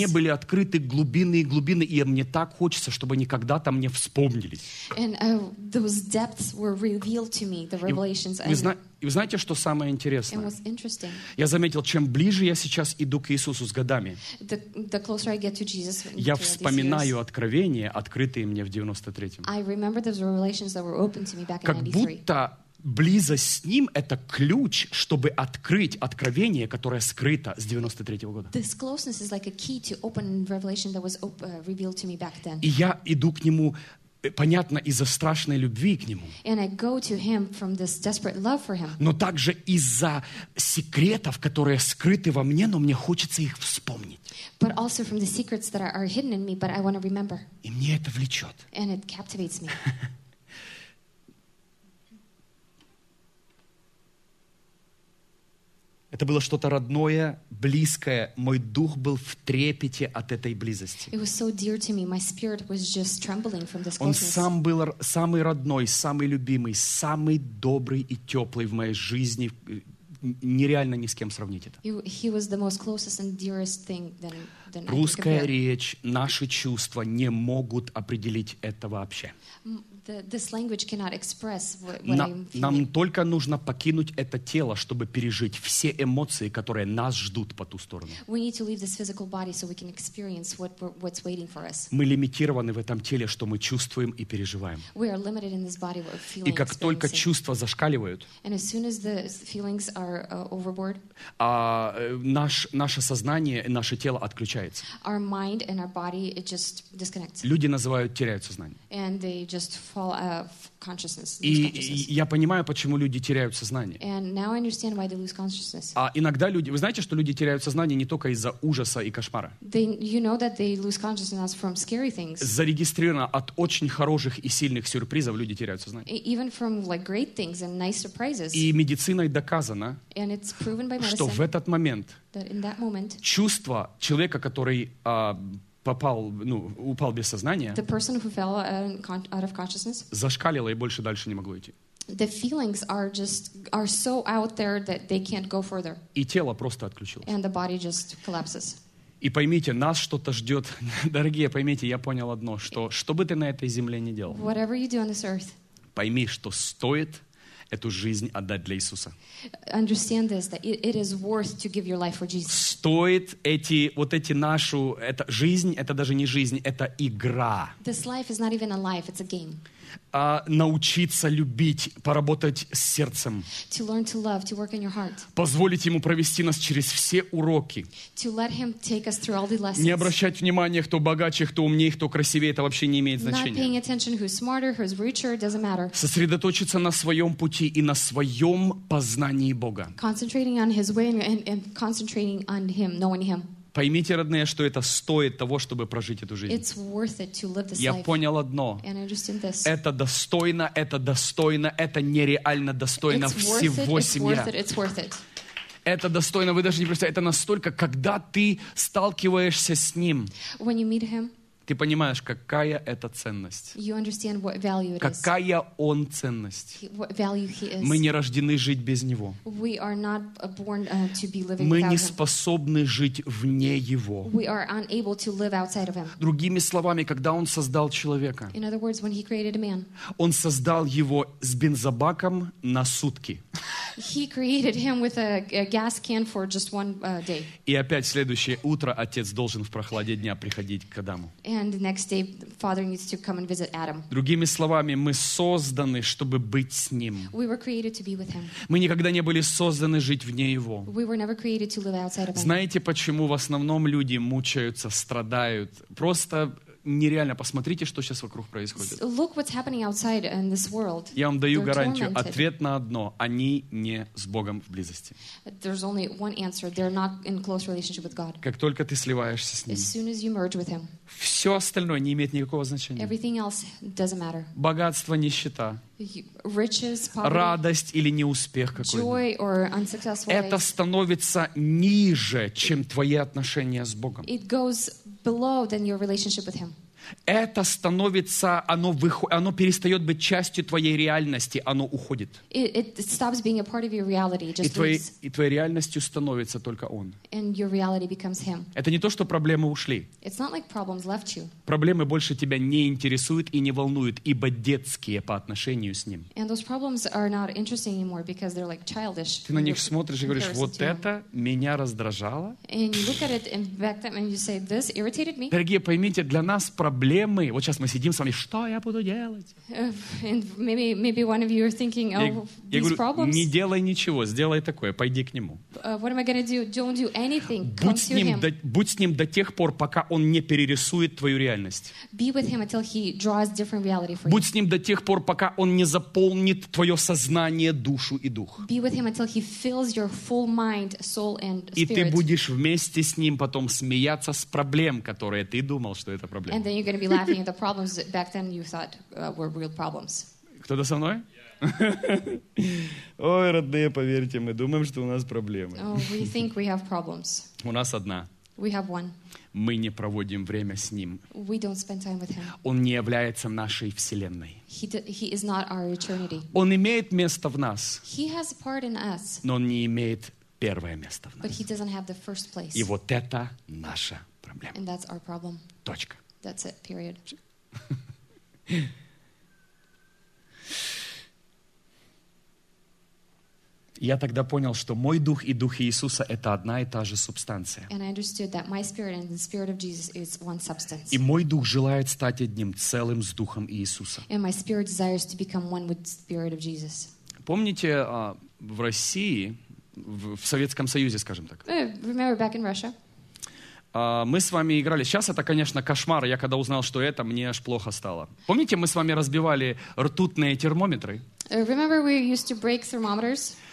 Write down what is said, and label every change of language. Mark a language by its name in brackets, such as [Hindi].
[Russian] мне были открыты глубины и глубины, и мне так хочется, чтобы они когда-то мне вспомнились. [English] And those depths were revealed to me, the revelations. [Russian] И вы знаете, что самое интересное? [English] And what's interesting, [Russian] я заметил, чем ближе я сейчас иду к Иисусу с годами, [English] the closer I get to Jesus, [Russian] я вспоминаю откровения, открытые мне в 93-м. [English] I remember those revelations that were open to me back in [Russian] Как будто близость с ним — это ключ, чтобы открыть откровение, которое скрыто с 93-го года. [English] This closeness is like a key to open revelation that was revealed to me back then. [Russian] И я иду к нему, понятно, из-за страшной любви к нему. [English] And I go to him from this desperate love for him. [Russian] Но также из-за секретов, которые скрыты во мне, но мне хочется их вспомнить. [English] But also from the secrets that are hidden in me, but I want to remember. [Russian] И мне это влечет. [English] And it captivates me. [Russian] Это было что-то родное, близкое. Мой дух был в трепете от этой близости. [English] It was so dear to me. My spirit was just trembling from this closeness. [Russian] Он сам был самый родной, самый любимый, самый добрый и теплый в моей жизни. Нереально ни с кем сравнить это. [English] He was the most closest and dearest thing than I think of. [Russian] Русская речь, наши чувства не могут определить это вообще. [English] This language cannot express what I'm feeling. [Russian] Нам только нужно покинуть это тело, чтобы пережить все эмоции, которые нас ждут по ту сторону. [English] We need to leave this physical body so we can experience what's waiting for us. [Russian] Мы лимитированы в этом теле, что мы чувствуем и переживаем. [English] We are limited in this body what we're feeling. [Russian] И как только чувства зашкаливают, [English] and as soon as the feelings are overboard, [Russian] наше сознание, наше тело отключается. [English] Our mind and our body it just disconnects. [Russian] Люди называют теряют сознание. [English] And they just fall out of consciousness. [Russian] И я понимаю, почему люди теряют сознание. [English] And now I understand why they lose consciousness. [Russian] А иногда люди, вы знаете, что люди теряют сознание не только из-за ужаса и кошмара. [English] They, you know that they lose consciousness from scary things. [Russian] Зарегистрировано от очень хороших и сильных сюрпризов люди теряют сознание. [English] Even from like great things and nice surprises. [Russian] И медициной доказано, [English] and it's proven by medicine, [Russian] что в этот момент, [English] that in that moment, [Russian] чувство человека, который попал, ну, упал без сознания, [English] the person who fell out of consciousness, [Russian] зашкалило и больше дальше не могло идти. [English] The feelings are just are so out there that they can't go further. [Russian] И тело просто отключилось. [English] And the body just collapses. [Russian] И поймите, нас что-то ждет. Дорогие, поймите, я понял одно, что бы ты на этой земле ни делал, [English] whatever you do on this earth, [Russian] пойми, что стоит эту жизнь отдать для Иисуса. [English] Understand this, that it is worth to give your life for Jesus. [Russian] Стоит эти, вот эти нашу, это жизнь, это даже не жизнь, это игра. [English] This life is not even a life, it's a game. [Russian] Научиться любить, поработать с сердцем. [English] To learn to love, to work in your heart. [Russian] Позволить ему провести нас через все уроки. [English] To let him take us through all the lessons. [Russian] Не обращать внимания, кто богаче, кто умнее, кто красивее, это вообще не имеет значения. [English] Not paying attention who's smarter, who's richer, doesn't matter. [Russian] Сосредоточиться на своем пути и на своем познании Бога. [English] Concentrating on his way and concentrating on him, knowing him. [Russian] Поймите, родные, что это стоит того, чтобы прожить эту жизнь. [English] It's worth it to live this life. [Russian] Я понял одно. [English] And I just did this. [Russian] Это достойно, это достойно, это нереально достойно всего семья. [English] It's worth it. [Russian] Это достойно, вы даже не представляете, это настолько, когда ты сталкиваешься с Ним. [English] When you meet Him. [Russian] Ты понимаешь, какая это ценность. [English] You understand what value it is. [Russian] Какая Он ценность. [English] He, what value he is. [Russian] Мы не рождены жить без Него. [English] We are not born, to be living [Russian] Мы [English] without [Russian] не способны [English] him. [Russian] Жить вне Его. [English] We are unable to live outside of him. [Russian] Другими словами, когда Он создал человека, [English] In other words, when he created a man, [Russian] Он создал его с бензобаком на сутки. [English] He created him with a gas can for just one day. [Russian] И опять следующее утро отец должен в прохладе дня приходить к Адаму. [English] And the next day, father needs to come and visit Adam. [Russian] Другими словами, мы созданы, чтобы быть с ним. [English] We were created to be with him. [Russian] Мы никогда не были созданы жить вне его. [English] We were never created to live outside of him. [Russian] Знаете, почему в основном люди мучаются, страдают? Просто нереально. Посмотрите, что сейчас вокруг происходит. [English] Look what's happening outside in this world. [Russian] Я вам даю [English] They're [Russian] гарантию. [English] Tormented. [Russian] Ответ на одно. Они не с Богом в близости. [English] There's only one answer. They're not in close relationship with God. [Russian] Как только ты сливаешься с Ним. [English] As soon as you merge with Him. [Russian] Все остальное не имеет никакого значения. [English] Everything else doesn't matter. [Russian] Богатство, нищета. [English] Riches, poverty, [Russian] радость или неуспех какой-то. [English] Joy or unsuccessful life. [Russian] Это становится ниже, чем твои отношения с Богом. [English] It goes below than your relationship with him. [Russian] Это становится, оно перестает быть частью твоей реальности, оно уходит. [English] It stops being a part of your reality, just [Russian] и твоей реальностью становится только Он. [English] And your reality becomes him. [Russian] Это не то, что проблемы ушли. [English] It's not like problems left you. [Russian] Проблемы больше тебя не интересуют и не волнуют, ибо детские по отношению с Ним. [English] And those problems are not interesting anymore because they're like childish. [Russian] Ты на них смотришь и говоришь, вот это меня раздражало. [English] And you look at it and back then and you say, this irritated me. [Russian] Дорогие, поймите, для нас проблемы. Вот сейчас мы сидим с вами, что я буду делать? [English] Maybe one of you are thinking, oh, these [Russian] говорю, [English] problems. [Russian] Не делай ничего, сделай такое, пойди к нему. [English] What am I gonna do? Don't do anything. [Russian] Будь с ним, будь с ним до тех пор, пока он не перерисует твою реальность. [English] Be with him until he draws different reality for you. [Russian] Будь с ним до тех пор, пока он не заполнит твое сознание, душу и дух. [English] Be with him until he fills your full mind, soul and spirit. [Russian] И ты будешь вместе с ним потом смеяться с проблем, которые ты думал, что это проблема. [English] And then you're going to be laughing at the problems that back then you thought were real problems. [Russian] Кто-то со мной? Ой, родные, поверьте, мы думаем, что у нас проблемы. [English] Oh, we think we have problems. [Russian] У нас одна. [English] We have one. [Russian] Мы не проводим время с ним. [English] We don't spend time with him. [Russian] Он не является нашей вселенной. [English] He is not our eternity. [Russian] Он имеет место в нас. [English] He has a part in us. [Russian] Но он не имеет первое место в нас. [English] But he doesn't have the first place. [Russian] И вот это наша проблема. [English] And that's our problem. [Russian] Точка. [English] That's it, period. [Russian] Я тогда понял, что мой дух и дух Иисуса — это одна и та же субстанция. [English] And I understood that my spirit and the spirit of Jesus is one substance. [Russian] И мой дух желает стать одним целым с духом Иисуса. [English] And my spirit desires to become one with the spirit of Jesus. [Russian] Помните, в России, в Советском Союзе, скажем так? [English] Remember back in Russia. [Russian] Мы с вами играли. Сейчас это, конечно, кошмар. Я когда узнал, что это, мне аж плохо стало. Помните, мы с вами разбивали ртутные термометры? [English] Remember we used to break thermometers?